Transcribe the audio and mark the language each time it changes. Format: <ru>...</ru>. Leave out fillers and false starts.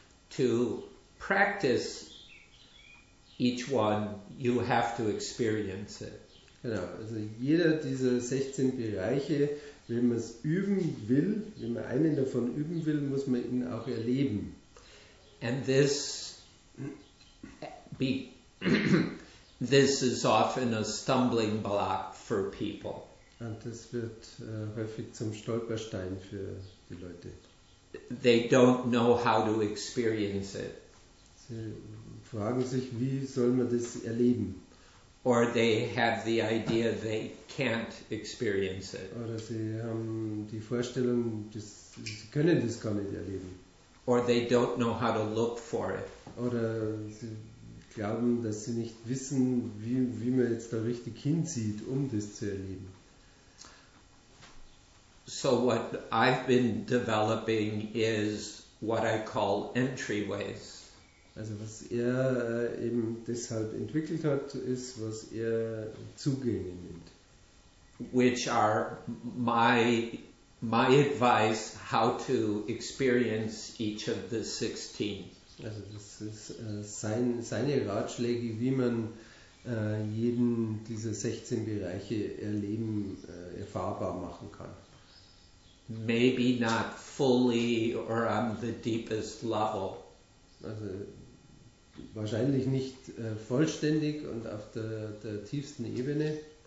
<en>To practice each one, you have to experience it.</en> <de>Genau, also jeder dieser 16 Bereiche, wenn man es üben will, wenn man einen davon üben will, muss man ihn auch erleben.</de> <en>And this is often a stumbling block for people.</en> <de>Und das wird häufig zum Stolperstein für die Leute.</de> <en>They don't know how to experience it.</en> <de>Sie fragen sich, wie soll man das erleben?</de> <en>Or they have the idea they can't experience it.</en> <de>Oder sie haben die Vorstellung, sie können das gar nicht erleben.</de> <en>Or they don't know how to look for it.</en> <de>Oder sie glauben, dass sie nicht wissen, wie man jetzt da richtig hinzieht, um das zu erleben.</de> <en>So what I've been developing is what I call entryways.</en> <de>Also was er eben deshalb entwickelt hat, ist, was er Zugänge nennt.</de> <en>Which are my advice how to experience each of the 16.</en> <de>Also das ist seine Ratschläge, wie man jeden dieser 16 Bereiche erleben, erfahrbar machen kann.</de> <en>Maybe not fully or on the deepest level.</en> <de>Also wahrscheinlich nicht vollständig und auf der tiefsten Ebene.</de>